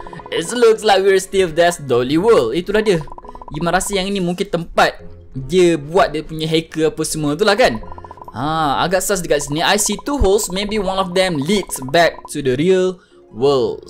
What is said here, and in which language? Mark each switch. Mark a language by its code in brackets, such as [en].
[en] It looks like we're still Death Dolly world. [ms] Itulah dia. Ima rasa yang ini mungkin tempat dia buat dia punya hacker apa semua tu lah kan. Agak sus dekat sini. [en] I see two holes. Maybe one of them leads back to the real world.